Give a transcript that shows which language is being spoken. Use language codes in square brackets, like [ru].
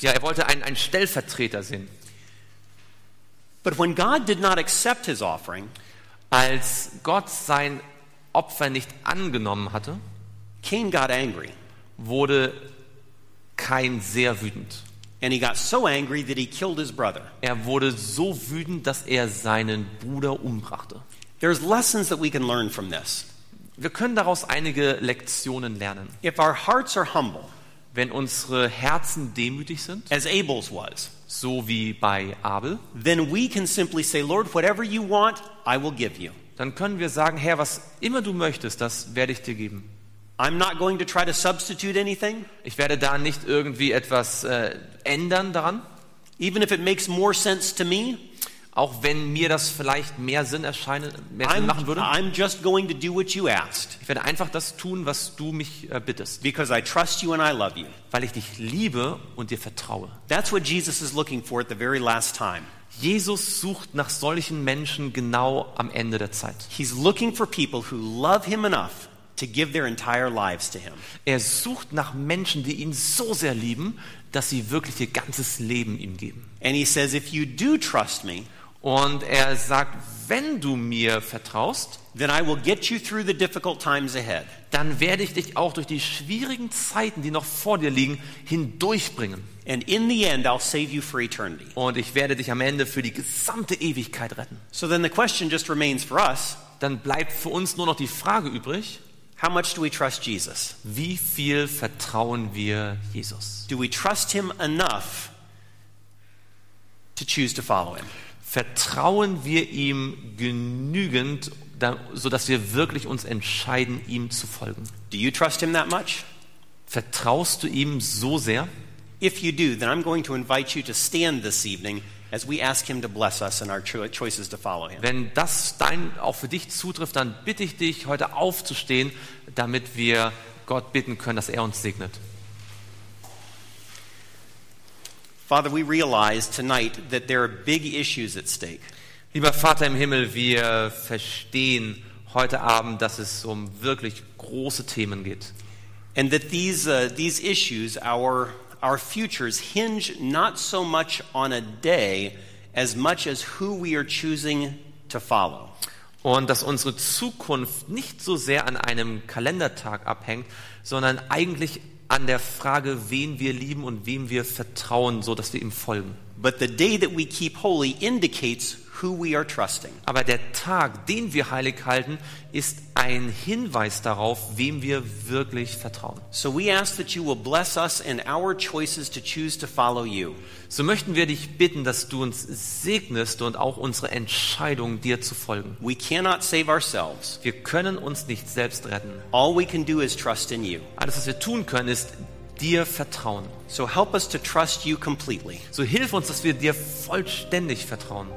[de] Ja, er wollte einen Stellvertreter sehen. [en] But when God did not accept his offering, [de] als Gott sein Opfer nicht angenommen hatte, [en] Cain got angry. [de] Wurde Kain sehr wütend. [en] And he got so angry that he killed his brother. [de] Er wurde so wütend, dass er seinen Bruder umbrachte. [en] There's lessons that we can learn from this. [de] Wir können daraus einige Lektionen lernen. [en] If our hearts are humble, [de] wenn unsere Herzen demütig sind, [en] as Abel's was, [de] so wie bei Abel, [en] then we can simply say, Lord, whatever you want, I will give you. [de] Dann können wir sagen, Herr, was immer du möchtest, das werde ich dir geben. [en] I'm not going to try to substitute anything. [de] Ich werde da nicht irgendwie etwas ändern daran. [en] Even if it makes more sense to me. [de] Auch wenn mir das vielleicht mehr Sinn machen würde. [en] I'm just going to do what you asked. [de] Ich werde einfach das tun, was du mich bittest. [en] Because I trust you and I love you. [de] Weil ich dich liebe und dir vertraue. [en] That's what Jesus is looking for at the very last time. [de] Jesus sucht nach solchen Menschen genau am Ende der Zeit. [en] He's looking for people who love him enough to give their entire lives to him. [de] Er sucht nach Menschen, die ihn so sehr lieben, dass sie wirklich ihr ganzes Leben ihm geben. [en] And he says, if you do trust me, [de] und er sagt, wenn du mir vertraust, [en] then I will get you through the difficult times ahead. [de] Dann werde ich dich auch durch die schwierigen Zeiten, die noch vor dir liegen, hindurchbringen. [en] And in the end, I'll save you for eternity. [de] Und ich werde dich am Ende für die gesamte Ewigkeit retten. [en] So then the question just remains for us. [de] Dann bleibt für uns nur noch die Frage übrig. [en] How much do we trust Jesus? [de] Wie viel vertrauen wir Jesus? [en] Do we trust him enough to choose to follow him. [de] Vertrauen wir ihm genügend, so dass wir wirklich uns entscheiden, ihm zu folgen? [en] Do you trust him that much? [de] Vertraust du ihm so sehr? [en] If you do, then I'm going to invite you to stand this evening as we ask him to bless us in our choices to follow him. [de] Wenn das auch für dich zutrifft, dann bitte ich dich, heute aufzustehen, damit wir Gott bitten können, dass uns segnet. [en] Father, we realize tonight that there are big issues at stake. [de] Lieber Vater im Himmel, wir verstehen heute Abend, dass es wirklich große Themen geht. [en] And that these issues, our futures hinge not so much on a day as much as who we are choosing to follow. [de] Und dass unsere Zukunft nicht so sehr an einem Kalendertag abhängt, sondern eigentlich an der Frage, wen wir lieben und wem wir vertrauen, so dass wir ihm folgen. [en] But the day that we keep holy indicates who we are trusting. [de] Aber der Tag, den wir heilig halten, ist ein Hinweis darauf, wem wir wirklich vertrauen. [en] So we ask that you will bless us in our choices to choose to follow you. [de] So möchten wir dich bitten, dass du uns segnest und auch unsere Entscheidung, dir zu folgen. [en] We cannot save ourselves. [de] Wir können uns nicht selbst retten. [en] All we can do is trust in you. [de] Alles, was wir tun können, ist dir vertrauen. [en] So help us to trust you completely. [de] So hilf uns, dass wir dir vollständig vertrauen.